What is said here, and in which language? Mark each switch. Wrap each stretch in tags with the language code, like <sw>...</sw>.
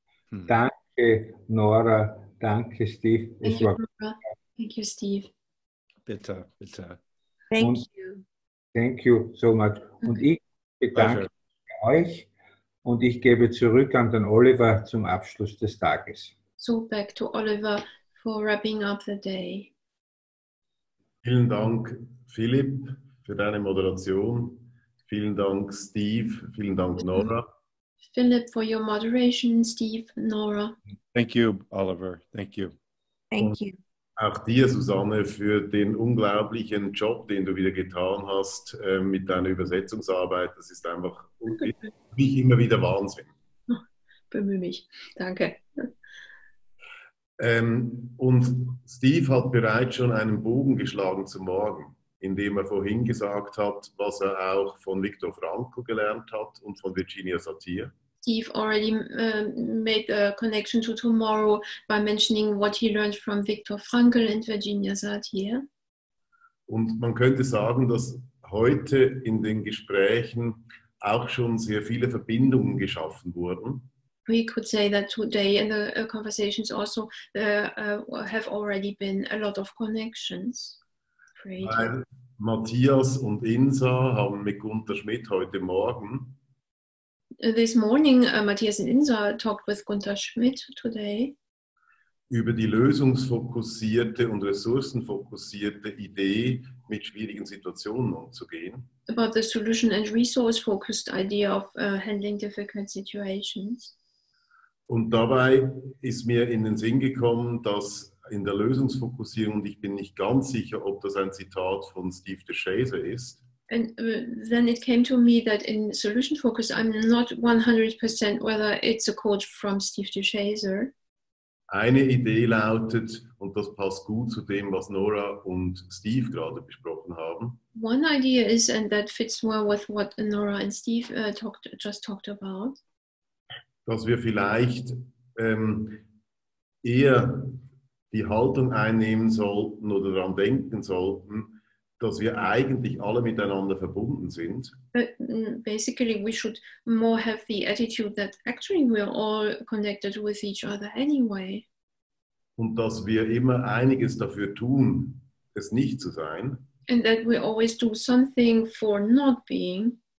<de>Danke, Nora. Danke, Steve.</de> <en>Thank you, Nora. Thank you, Steve.</en> <de>Bitte, bitte.</de> <en>Thank you so much. Okay.</en> <de>Und ich bedanke mich euch und ich gebe zurück an den Oliver zum Abschluss des Tages.</de> <en>So back to Oliver for wrapping up the day.</en> <de>Vielen Dank, Philipp, für deine Moderation. Vielen Dank, Steve. Vielen Dank, Nora.</de> <en>Philipp, for your moderation, Steve, Nora. Thank you, Oliver. Thank you. Thank you.</en> <de>Auch dir, Susanne, für den unglaublichen Job, den du wieder getan hast mit deiner Übersetzungsarbeit. Das ist einfach mich immer wieder Wahnsinn. Bemühe mich. Danke. Und Steve hat bereits schon einen Bogen geschlagen zum Morgen, in dem er vorhin gesagt hat, was er auch von Viktor Frankl gelernt hat und von Virginia Satir.</de> <en>Steve already made a connection to tomorrow by mentioning what he learned from Viktor Frankl and Virginia Satir.</en> <de>Und man könnte sagen, dass heute in den Gesprächen auch schon sehr viele Verbindungen geschaffen wurden.</de> <en>We could say that today in the conversations also have already been a lot of connections.</en> <de>Weil Matthias und Insa haben mit Gunter Schmidt heute Morgen.</de> <en>This morning, Matthias and Insa talked with Gunter Schmidt today.</en> <de>Über die lösungsfokussierte und ressourcenfokussierte Idee, mit schwierigen Situationen umzugehen.</de> <en>About the solution and resource-focused idea of handling difficult situations.</en> <de>Und dabei ist mir in den Sinn gekommen, dass in der Lösungsfokussierung, und ich bin nicht ganz sicher, ob das ein Zitat von Steve DeShazer ist.</de> <en>And then it came to me that in solution focus, I'm not 100% whether it's a quote from Steve DeShazer.</en> <de>Eine Idee lautet, und das passt gut zu dem, was Nora und Steve gerade besprochen haben.</de> <en>One idea is, and that fits well with what Nora and Steve just talked about.</en> <de>Dass wir vielleicht eher die Haltung einnehmen sollten oder daran denken sollten, dass wir eigentlich alle miteinander verbunden sind.</de> <en>Basically, we should more have the attitude that actually we are all connected with each other anyway.</en> <de>Und dass wir immer einiges dafür tun, es nicht zu sein.</de> <en>And that we always do something for not being</en>